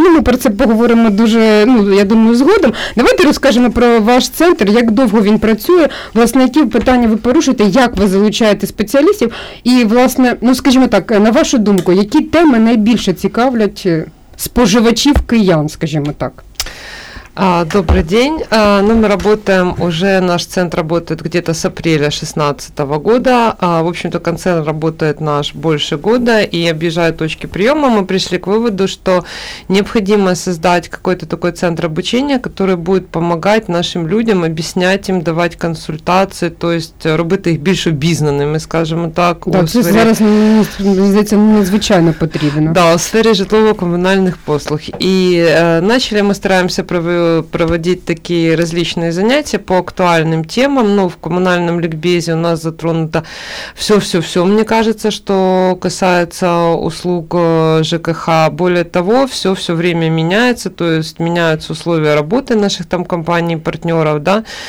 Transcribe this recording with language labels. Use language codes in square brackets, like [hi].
[uk] Ну, ми про це поговоримо дуже, ну, я думаю, згодом. Давайте розкажемо про ваш центр, як довго він працює, власне, які питання ви порушуєте, як ви залучаєте спеціалістів і, власне, ну, скажімо так, на вашу думку, які теми найбільше цікавлять споживачів киян, скажімо так? [ru] Добрый день. Ну, мы работаем уже, наш центр работает где-то с апреля 2016 года. В общем-то, концерн работает наш больше года, и объезжая точки приема, мы пришли к выводу, что необходимо создать какой-то такой центр обучения, который будет помогать нашим людям, объяснять им, давать консультации, то есть [uk] робити [ru] их [uk] більш обізнаними, [ru] скажем так. [uk] Да, це зараз, здається, надзвичайно потрібно. Да, у сфері житлово-комунальних послуг. [ru] І начали [uk] ми стараємося [ru] проводить такие различные занятия по актуальным темам, но в коммунальном ликбезе у нас затронуто все-все-все, мне кажется, что касается услуг ЖКХ. Более того, все-все время меняется, то есть меняются условия работы наших там компаний, партнеров, да.